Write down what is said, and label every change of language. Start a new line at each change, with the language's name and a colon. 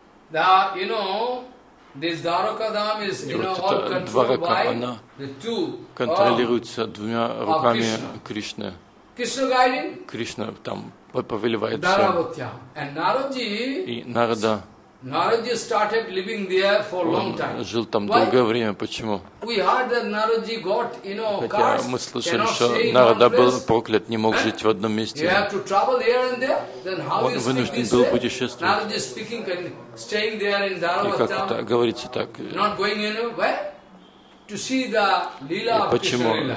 English: You know, this Dwaraka Dham is, you know, all controlled by the two.
Russian: Контролируется двумя руками Кришны.
English: Krishna guiding.
Russian: Кришна там повелевает все. Даравотья.
English: And Narada.
Russian: И Нарада.
English: Narada started living there for a long time.
Russian: Жил там долгое время. Почему?
English: We heard that Narada got, you know, cursed.
Russian: Хотя мы слышали, что Нарада был проклят, не мог жить в одном месте.
English: You have to travel here and there. Then how is he?
Russian: Он вынужден был путешествовать.
English: Narada speaking, staying there in Daravatya.
Russian: И как это говорится так?
English: Not going anywhere. To see the lila.
Russian: И почему?